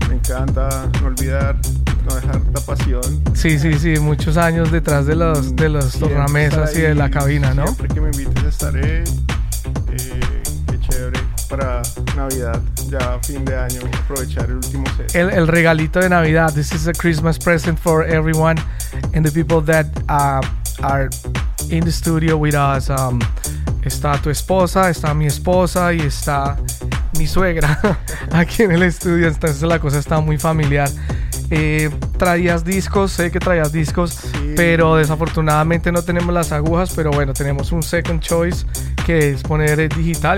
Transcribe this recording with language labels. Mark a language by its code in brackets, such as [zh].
[es] Me encanta, no olvidar, no dejar la pasión. Sí, muchos años detrás de los tornamesas y de la cabina, siempre, ¿no? Siempre que me invites estaré, qué chévere, para Navidad. Ya a fin de año aprovechar el último set. El regalito de Navidad. [en] This is a Christmas present for everyone and the people that are in the studio with us. [es] Está tu esposa, está mi esposa y está mi suegra aquí en el estudio. Entonces la cosa está muy familiar. Traías discos, sé que traías discos, sí. Pero desafortunadamente no tenemos las agujas, pero bueno, tenemos un [en] second choice, [es] que es poner el digital.